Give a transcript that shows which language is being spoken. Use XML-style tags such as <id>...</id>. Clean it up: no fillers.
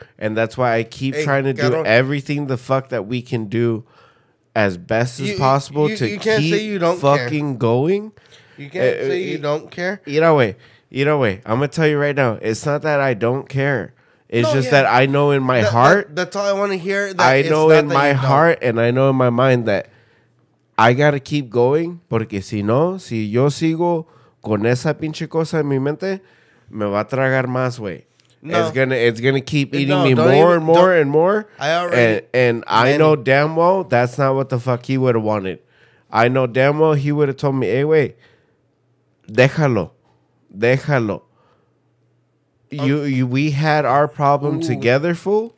<en>And that's why I keep trying to do everything the fuck that we can do as best as possible to keep fucking going. You can't say you don't care. Either way, I'm going to tell you right now, it's not that I don't care. It's just that I know in my heart. That's all I want to hear. And I know in my mind that I got to keep going.</en> <es>Porque si no, si yo sigo con esa pinche cosa en mi mente, me va a tragar más, güey. No.</es> <en>It's gonna keep eating me more and more. I already know damn well that's not what the fuck he would have wanted. I know damn well he would have told me, "Hey, déjalo. Okay. We had our problem together, fool.</en>